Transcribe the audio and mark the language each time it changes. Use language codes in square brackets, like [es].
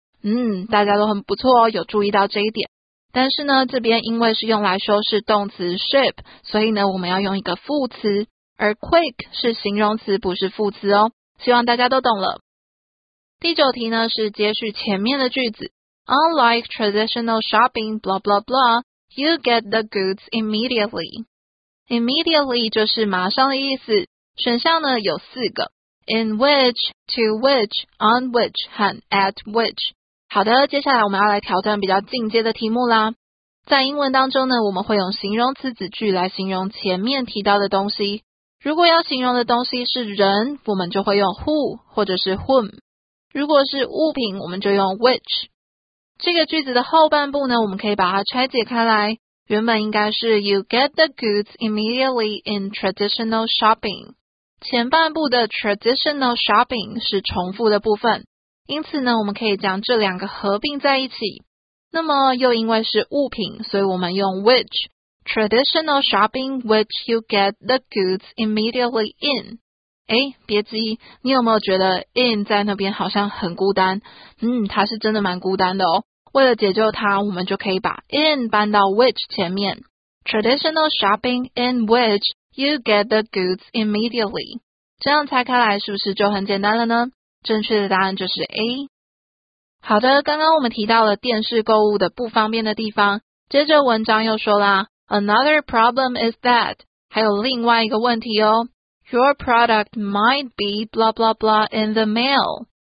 [zh] 嗯，大家都很不错哦，有注意到这一点。但是呢，这边因为是用来修饰动词 ship， 所以呢，我们要用一个副词，而 quick 是形容词，不是副词哦。希望大家都懂了。第九题呢，是接续前面的句子。 [en] Unlike traditional shopping, blah blah blah, you get the goods immediately. [zh] Immediately 就是马上的意思。选项呢有四个 ， in which, to which, on which 和 at which。好的，接下来我们要来挑战比较进阶的题目啦。在英文当中呢，我们会用形容词子句来形容前面提到的东西。如果要形容的东西是人，我们就会用 who 或者是 whom。如果是物品，我们就用 which。这个句子的后半部呢，我们可以把它拆解开来。原本应该是 You get the goods immediately in traditional shopping。前半部的 traditional shopping 是重复的部分。因此呢，我们可以将这两个合并在一起。那么又因为是物品，所以我们用 which， traditional shopping which you get the goods immediately in。诶，别急，你有没有觉得 in 在那边好像很孤单？嗯，它是真的蛮孤单的哦。为了解救他，我们就可以把 in 搬到 which 前面。 [en] Traditional shopping in which you get the goods immediately. [zh] 这样拆开来是不是就很简单了呢？正确的答案就是 A。好的，刚刚我们提到了电视购物的不方便的地方，接着文章又说啦， Another problem is that, 还有另外一个问题哦， Your product might be blah blah blah in the mail.